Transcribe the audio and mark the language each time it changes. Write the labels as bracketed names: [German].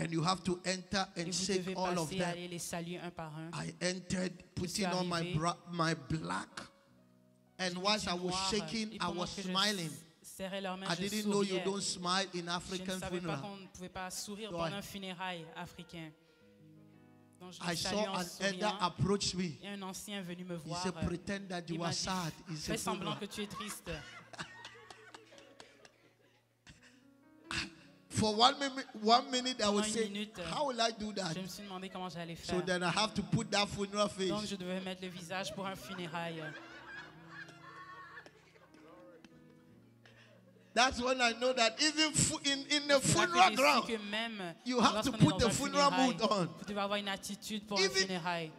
[English] and you have to enter and shake all of them. [French] Les saluer un par un. [English] I entered putting on my my black. And whilst I was shaking, I was smiling. [French] Leurs mains, [English] I didn't know you don't smile in African funeral. [French] Pas qu'on pouvait pas sourire so pendant un funérail africain. [English] I saw an elder approach me. [French] Et un ancien venu me voir. [English] He said, pretend that you are sad. He said, [French] fais semblant que tu es triste. [English] For one minute, I would say, how will I do that? [French] Je me suis demandé comment j'allais faire. [English] So then I have to put that funeral face. [French] Donc je devais mettre le visage pour un funérail. [English] That's when I know that even in the funeral ground, you have to put the funeral mood on. [French] Vous devez avoir une attitude pour un funérail.